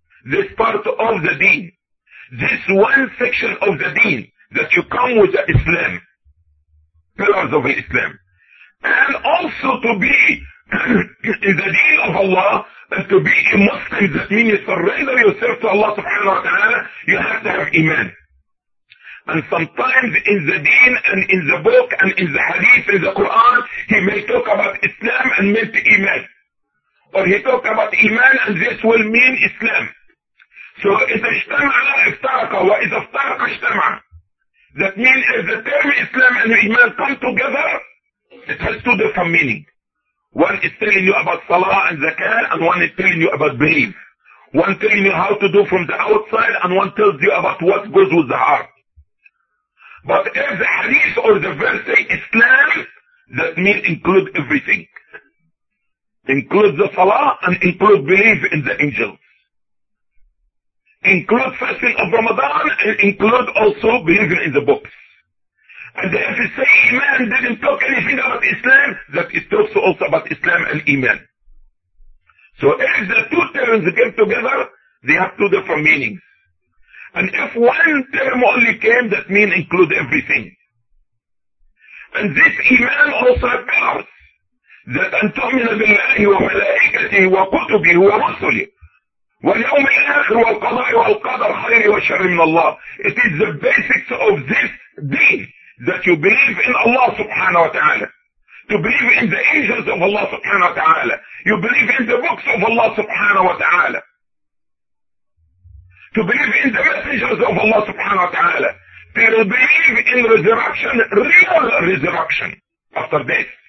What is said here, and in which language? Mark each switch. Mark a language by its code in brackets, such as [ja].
[en] This part of the deen, this one section of the deen, that you come with the Islam, pillars of Islam, and also to be in the deen of Allah, and to be a Muslim, that means you surrender yourself to Allah subhanahu wa ta'ala, you have to have iman. And sometimes in the deen, and in the book, and in the hadith, in the Quran, he may talk about Islam and meant iman. Or he talk about iman and this will mean Islam. [ar] So إذا اجتمع لا افترق وإذا افترق اجتمع. [en] That means if the term Islam and Iman come together, it has two different meanings. One is telling you about Salah and Zakah, and one is telling you about belief. One telling you how to do from the outside, and one tells you about what goes with the heart. But if the Hadith or the verse say Islam, that means include everything. Include the Salah and include belief in the angels. Include fasting of Ramadan and include also believing in the books. And if you say Iman didn't talk anything about Islam, that it talks also about Islam and Iman. So if the two terms came together, they have two different meanings. And if one term only came, that means include everything. And this Iman also applies that [ar] antumina billahi wa malaikati wa kutubihi wa rasulihi. واليوم الآخر والقضاء والقدر خير وشر من الله. [en] It is the basics of this deen that you believe in Allah subhanahu wa ta'ala. To believe in the angels of Allah subhanahu wa ta'ala. You believe in the books of Allah subhanahu wa ta'ala. To believe in the messengers of Allah subhanahu wa ta'ala. To believe in resurrection, real resurrection after death.